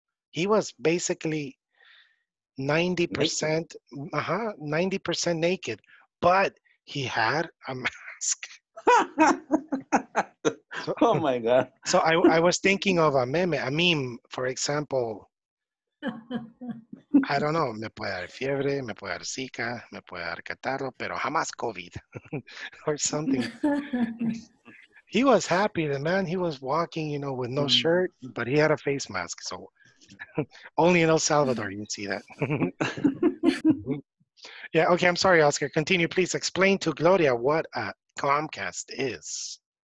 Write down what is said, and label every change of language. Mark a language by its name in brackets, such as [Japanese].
[English] He was basically 90% naked. 90% naked, but he had a mask. So, oh my God. So I was thinking of a meme, for example. I don't know, [Spanish] me puede dar fiebre, me puede dar zika, me puede dar catarro, pero jamás COVID, [English] or something. He was happy, the man, he was walking, you know, with no shirt, but he had a face mask, so only in El Salvador you'd see that. Yeah, okay, I'm sorry, Oscar, continue. Please explain to Gloria what a Chromecast is.